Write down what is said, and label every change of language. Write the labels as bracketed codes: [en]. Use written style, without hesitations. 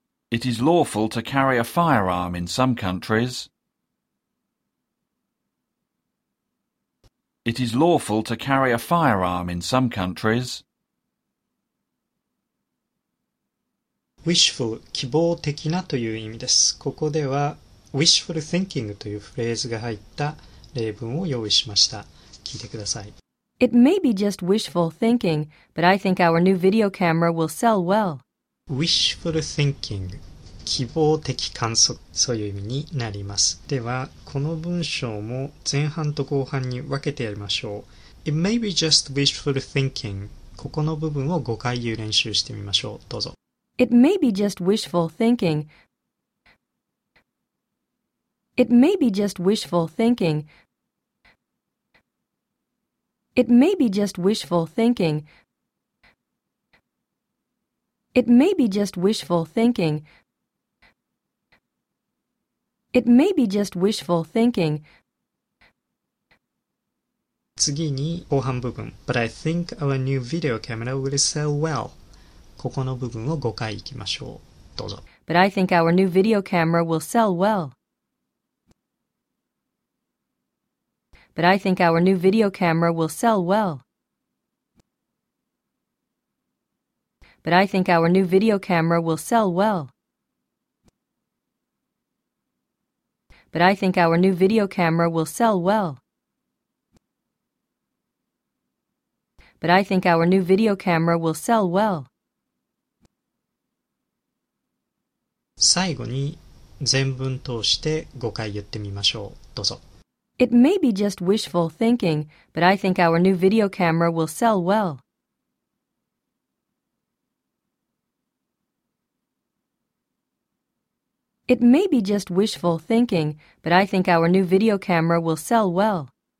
[en] It is lawful to carry a firearm in some countries. It is lawful to carry a firearm in some countries. [ja] Wishful, 希望的なという意味です。ここでは wishful thinking というフレーズが入った例文を用意しました。聞いてください。 [en] It may be just wishful thinking, but I think our new video camera will sell well. Wishful thinking. [ja] 希望的観測、そういう意味になります。では、この文章も前半と後半に分けてやりましょう。 [en] It may be just wishful thinking. [ja] ここの部分を5回言う練習してみましょう。どうぞ。 [en] It may be just wishful thinking. It may be just wishful thinking. It may be just wishful thinking. It may be just wishful thinking. It may be just wishful thinking. [ja] 次に後半部分。 [en] But I think our new video camera will sell well. [ja] ここの部分を5回行きましょう。どうぞ。 [en] But I think our new video camera will sell well. But I think our new video camera will sell well. But I think our new video camera will sell well. But I think our new video camera will sell well. But I think our new video camera will sell well. [ja] 最後に全文通して5回言ってみましょう。どうぞ。 [en] It may be just wishful thinking, but I think our new video camera will sell well. It may be just wishful thinking, but I think our new video camera will sell well.